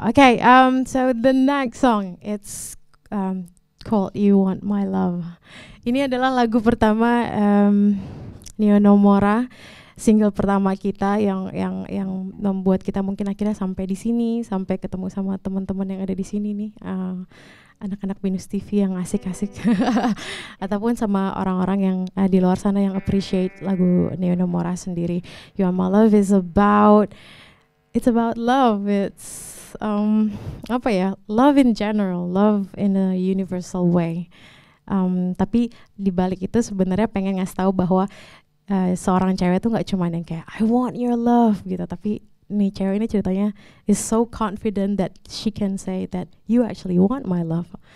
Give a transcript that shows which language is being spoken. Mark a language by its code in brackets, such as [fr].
[en] Okay, so the next song, it's called You Want My Love. [id] Ini adalah lagu pertama Neonomora, single pertama kita yang membuat kita mungkin akhirnya sampai di sini, sampai ketemu sama teman-teman yang ada di sini nih, anak-anak BINUSTV yang asik-asik ataupun sama orang-orang yang di luar sana yang appreciate lagu Neonomora sendiri. [en] You Are My Love is about, it's about love, it's [id] apa ya, [en] love in general, love in a universal way. [id] Tapi di balik itu sebenarnya pengen ngasih tahu bahwa seorang cewek tuh nggak cuma yang kayak [en] I want your love [id] gitu, tapi nih cewek ini ceritanya [en] is so confident that she can say that you actually want my love.